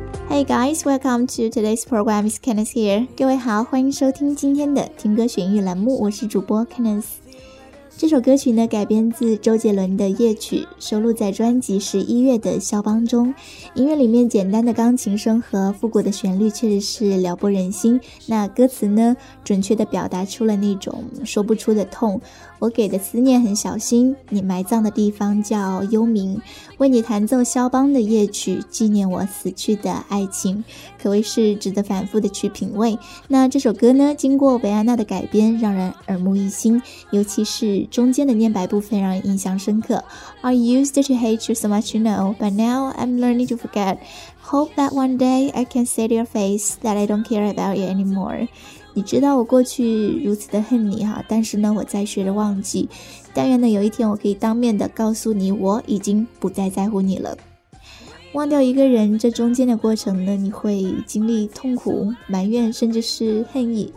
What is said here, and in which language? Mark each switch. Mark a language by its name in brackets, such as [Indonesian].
[English] Hey guys, welcome to today's program, it's Kenneth here. [Chinese] 各位好，欢迎收听今天的听歌选语栏目，我是主播 Kenneth。这首歌曲呢，改编自周杰伦的夜曲，收录在专辑十一月的肖邦中。音乐里面简单的钢琴声和复古的旋律确实是撩拨人心，那歌词呢，准确地表达出了那种说不出的痛。我给的思念很小心，你埋葬的地方叫幽冥，为你弹奏肖邦的夜曲，纪念我死去的爱情，可谓是值得反复的去品味。那这首歌呢，经过维安娜的改编，让人耳目一新，尤其是中间的念白部分让人印象深刻。 [English] I used to hate you so much, you know, but now I'm learning to forget. Hope that one day I can see your face, that I don't care about you anymore. [Chinese] 你知道我过去如此的恨你哈，但是呢，我在学着忘记。但愿呢，有一天我可以当面的告诉你，我已经不再在乎你了。忘掉一个人，这中间的过程呢，你会经历痛苦、埋怨，甚至是恨意。